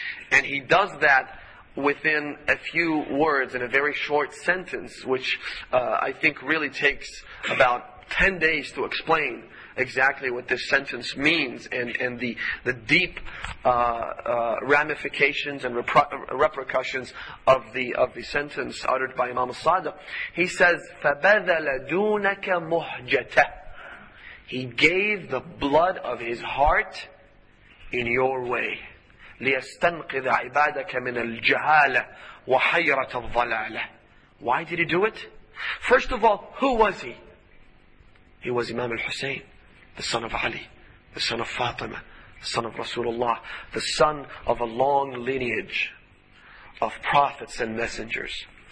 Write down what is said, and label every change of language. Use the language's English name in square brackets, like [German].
[English] And he does that within a few words, in a very short sentence, which I think really takes about 10 days to explain exactly what this sentence means and the deep ramifications and repercussions of the sentence uttered by Imam al-Sadiq. He says, [Arabic] فَبَذَلَ دُونَكَ مُحْجَتَ. [English] He gave the blood of his heart in your way. [Arabic] لِيَسْتَنْقِذَ عِبَادَكَ مِنَ الْجَهَالَةِ وَحَيْرَةَ الظَّلَالَةِ. [English] Why did he do it? First of all, who was he? He was Imam al-Hussein, the son of Ali, the son of Fatima, the son of Rasulullah, the son of a long lineage of prophets and messengers.